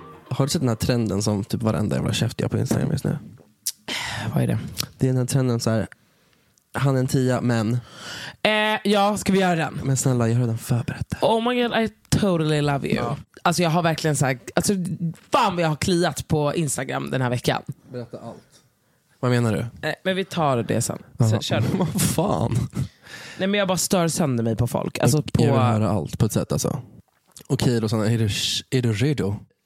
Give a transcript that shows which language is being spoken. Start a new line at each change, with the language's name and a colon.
Swedish: Har du sett den här trenden som typ varenda jävla käft jag på Instagram just nu? Vad är det? Det är den här trenden så här. Han är en tia, men ja, ska vi göra den? Men snälla, jag har redan förberett.
English: Oh my god, I totally love you.
Swedish: Ja. Alltså jag har verkligen sagt, alltså, fan vad jag har kliat på Instagram den här veckan. Berätta allt. Vad menar du? Men vi tar det sen. Sen kör du. Vad fan? Nej, men jag bara stör sönder mig på folk. Alltså, jag vill höra allt på ett sätt alltså. Okej, då, sådana, är du redo?